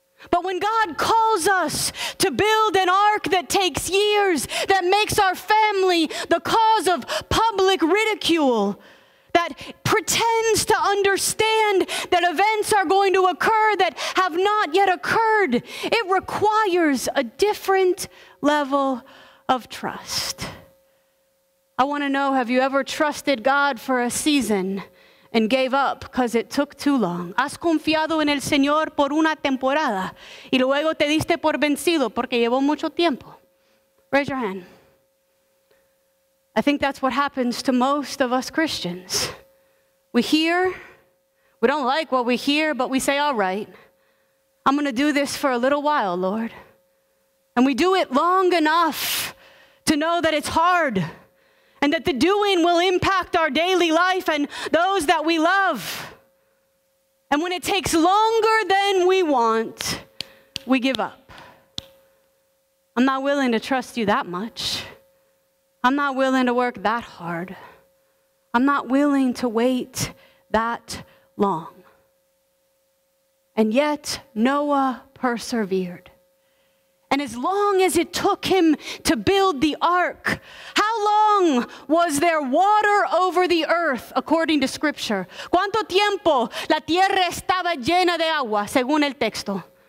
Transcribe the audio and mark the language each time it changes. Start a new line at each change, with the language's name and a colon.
English: But when God calls us to build an ark that takes years, that makes our family the cause of public ridicule, that pretends to understand that events are going to occur that have not yet occurred, it requires a different level of trust. I want to know, have you ever trusted God for a season and gave up because it took too long?
Spanish: ¿Has confiado en el Señor por una temporada y luego te diste por vencido porque llevó mucho tiempo?
English: Raise your hand. I think that's what happens to most of us Christians. We hear, we don't like what we hear, but we say, all right, I'm going to do this for a little while, Lord. And we do it long enough to know that it's hard and that the doing will impact our daily life and those that we love. And when it takes longer than we want, we give up. I'm not willing to trust you that much. I'm not willing to work that hard. I'm not willing to wait that long. And yet, Noah persevered. And as long as it took him to build the ark, how long was there water over the earth, according to Scripture?
Spanish: ¿Cuánto tiempo la tierra estaba llena de agua, según el texto?